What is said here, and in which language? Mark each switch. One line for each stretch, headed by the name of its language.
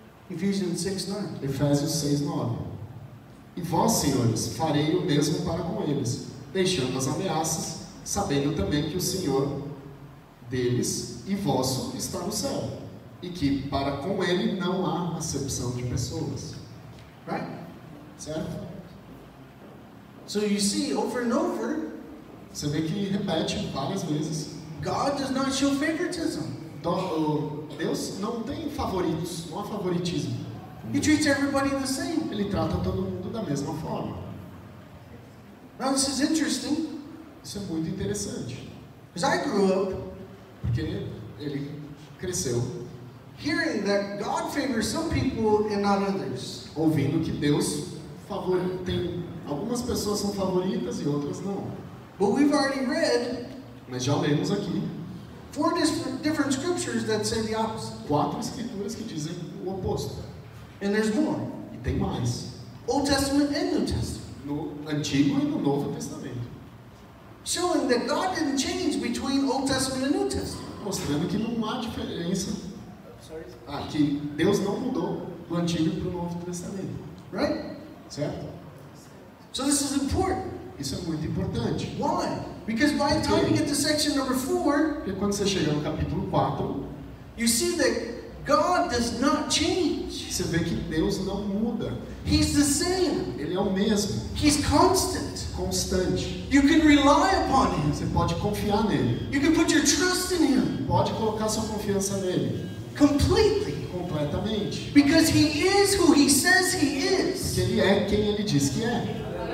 Portuguese: Efésios 6:9. E vós, senhores, farei o mesmo para com eles, deixando as ameaças, sabendo também que o Senhor deles e vosso está no céu, e que para com ele não há acepção de pessoas.
English: Right?
Portuguese: Certo?
English: So you see, over and over,
Portuguese: você vê que repete várias vezes.
English: God does not show favoritism.
Portuguese: Deus não tem favoritos, não há favoritismo.
English: He treats everybody the same.
Portuguese: Ele trata todo mundo da mesma forma.
English: Now this is interesting.
Portuguese: Isso é muito interessante.
English: Because I grew up,
Portuguese: porque ele cresceu,
English: hearing that God favors some people and not others.
Portuguese: Ouvindo que Deus tem algumas pessoas são favoritas e outras não.
English: But we've already read.
Portuguese: Mas já lemos aqui.
English: Four different scriptures that say the opposite.
Portuguese: Quatro escrituras que dizem o oposto.
English: And there's more.
Portuguese: E tem mais.
English: Old Testament and New Testament.
Portuguese: No Antigo e no Novo Testamento.
English: Showing that God didn't change between Old Testament and New Testament.
Portuguese: Mostrando que não há diferença. Que Deus não mudou do Antigo para o Novo Testamento.
English: Right?
Portuguese: Certo?
English: So this is important.
Portuguese: Isso é muito importante.
English: Why? Because by the time you get to section number 4,
Portuguese: porque quando você chega no capítulo 4,
English: you see that God does not change.
Portuguese: Você vê que Deus não muda.
English: He's the same.
Portuguese: Ele é o mesmo.
English: He's constant.
Portuguese: Constante.
English: You can rely upon him.
Portuguese: Você pode confiar nele.
English: You can put your trust in him.
Portuguese: Pode colocar sua confiança nele.
English: Completely.
Portuguese: Completamente.
English: Because he is who he says he is.
Portuguese: Porque ele é quem ele diz que é.